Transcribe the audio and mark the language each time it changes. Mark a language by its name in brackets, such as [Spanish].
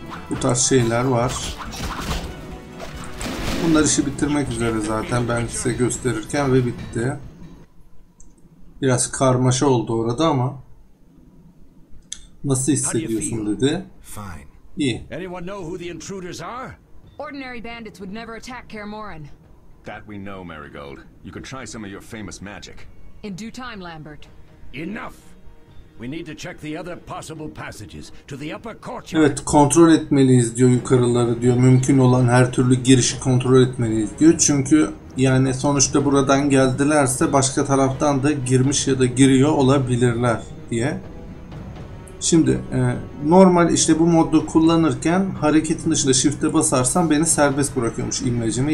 [Turkish] Bu tarz şeyler var. Bunlar işi bitirmek üzere zaten ben size gösterirken ve bitti. Biraz karmaşa oldu orada ama. Nasıl hissediyorsun dedi. İyi. [English] Anyone know who the intruders are? Ordinary bandits would never attack Kaer Morhen. That we know, Marigold. You can try some of your famous magic. In due time, Lambert. Enough. We need to check the other possible passages to the upper courtyard. [Turkish] Evet, kontrol etmeliyiz diyor yukarıları diyor. Mümkün olan her türlü girişi kontrol etmeliyiz diyor. Çünkü yani sonuçta buradan geldilerse başka taraftan da girmiş ya da giriyor olabilirler diye. Şimdi normal işte bu modu kullanırken hareketin dışında shift'e basarsam beni serbest bırakıyormuş imlecimi.